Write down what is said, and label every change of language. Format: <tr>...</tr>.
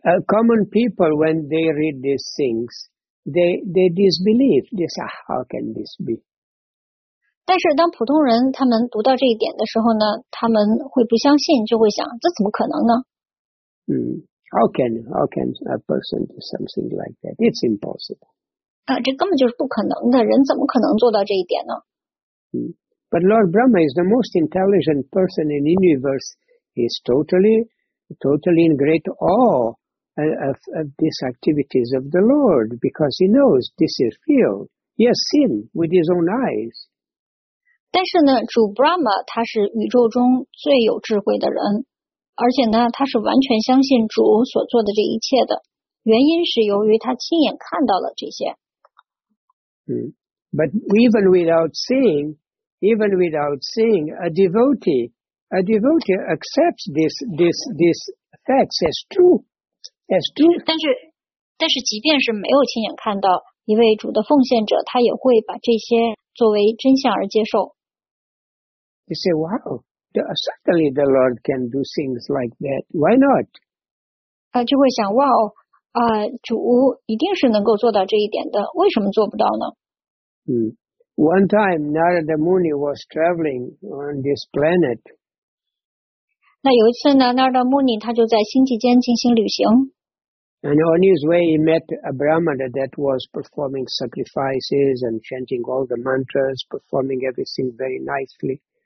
<en>common people when they read these things they disbelieve this, how can this be?</en> <zh>但是当普通人他们读到这一点的时候呢他们会不相信就会想这怎么可能呢、</zh> <en>How can a person do something like that? It's impossible.</en> <zh>这根本就是不可能的，人怎么可能做到这一点呢？</zh> <en>But Lord Brahma is the most intelligent person in the universe. He is totally in great awe of these activities of the Lord, because he knows this is real. He has seen with his own eyes.</en> <zh>但是呢，主 Brahma 他是宇宙中最有智慧的人，而且呢，他是完全相信主所做的这一切的，原因是由于他亲眼看到了这些。</zh> <en>But even without seeing, a devotee, accepts this facts as true, as true.</en> <zh>但是即便是没有亲眼看到，一位主的奉献者，他也会把这些作为真相而接受。</zh> <en>You say, wow, certainly the Lord can do things like that. Why not?</en> <zh>就会想 wow, 主一定是能够做到这一点的，为什么做不到呢？</zh> <en>One time, Narada Muni was traveling on this planet.</en> <zh>那有一次呢 ,Narada Muni 他就在星际间进行旅行。</zh> <en>And on his way, he met a Brahmana that was performing sacrifices and chanting all the mantras, performing everything very nicely.</en>